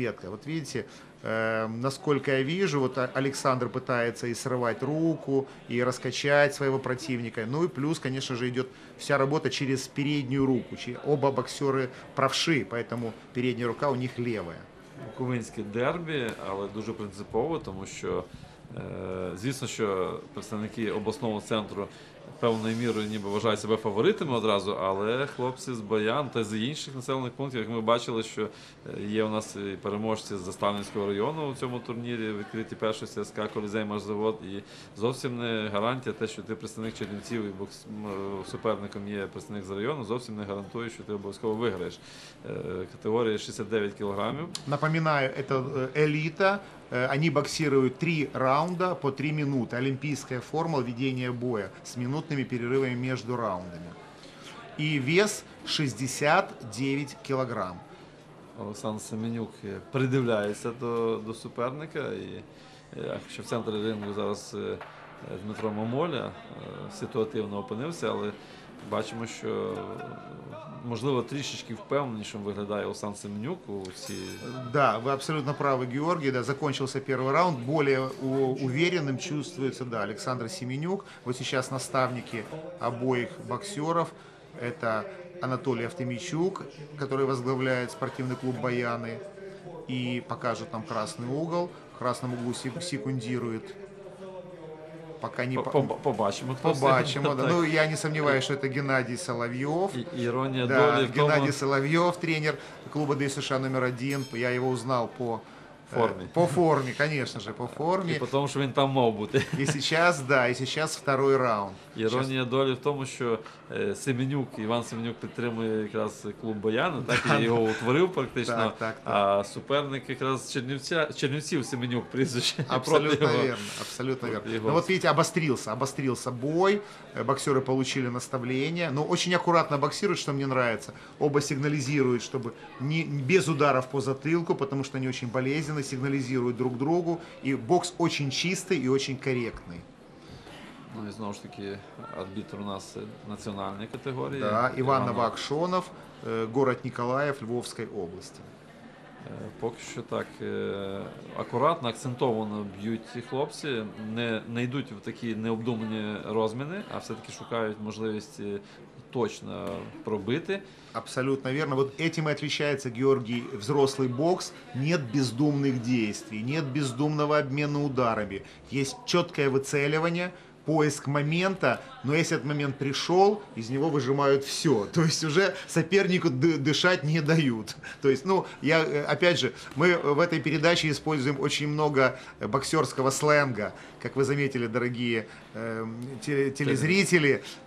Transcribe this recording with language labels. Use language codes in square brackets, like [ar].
[ru] Вот видите, насколько я вижу, вот Александр пытается и срывать руку, и раскачать своего противника. Ну и плюс, конечно же, идет вся работа через переднюю руку. Оба боксеры правши, поэтому передняя рука у них левая. [uk] Кубинське дербі, але дуже принципово, тому що, звісно, що представники обласного центру певною мірою ніби вважають себе фаворитами одразу, але хлопці з Баян та з інших населених пунктів, як ми бачили, що є у нас і переможці з Заставницького району у цьому турнірі, відкриті перші СК «Колізей Машзавод», і зовсім не гарантія те, що ти представник Чернівців і суперником є представник з району, зовсім не гарантує, що ти обов'язково виграєш. Категорія 69 кілограмів. Напоминаю, це еліта. [ru] Они боксируют 3 раунда по 3 минуты. Олимпийская формула ведения боя с минутными перерывами между раундами. И вес 69 килограмм. Олександр Семенюк придивляется до суперника. [uk] И еще в центре ринга зараз Дмитро Мамоля ситуативно опинився, але бачимо, що, можливо, трішечки впевненішим виглядає Олександр Семенюк у цій... Да, ви абсолютно праві, Георгій, да, закінчився перший раунд, більш уверенним чувствується, да, Олександр Семенюк. Ось зараз наставники обоїх боксерів, це Анатолій Автомійчук, який возглавляє спортивний клуб «Баяни», і покаже нам красний угол, в красному углу секундирує. [ru] Пока не [uk] побачимо. [ru] Побачимо, да. Ну, я не сомневаюсь, что это Геннадий Соловьев. Ирония, да, доли. Геннадий Соловьев, тренер клуба ДЮ США номер один. Я его узнал по форме. По форме, конечно же. И потому, что он там мог быть. И сейчас, да, и сейчас второй раунд. Ирония сейчас... [uk] доли в том, что Семенюк, Иван Семенюк підтримує якраз клуб «Баяни», так, да, я його утворив практично, так, так, так. А суперник якраз Чернівців Семенюк прізвище. Абсолютно вірно. Ну от видите, обострился бой, боксери отримали наставлення, ну дуже акуратно боксують, що мені подобається, оба сигналізують, щоб не, без ударів по затилку, тому що вони дуже болезненно сигналізують друг другу, і бокс дуже чистий і дуже коректний. Ну і знову ж таки, арбітр у нас національної категорії. Да, Іван Новакшонов, город Ніколаїв Львовської області. Поки що так акуратно, акцентовано б'ють ці хлопці, не йдуть в такі необдумані розміни, а все-таки шукають можливості точно пробити. Абсолютно вірно. От цим і відповідається Георгій, взрослий бокс. Нет бездумних дій, нет бездумного обміну ударами. Є чітке вицелювання. [ru] Поиск момента, но если этот момент пришел, из него выжимают все. То есть уже сопернику дышать не дают. То есть, ну, я, опять же, мы в этой передаче используем очень много боксерского сленга, как вы заметили, дорогие телезрители.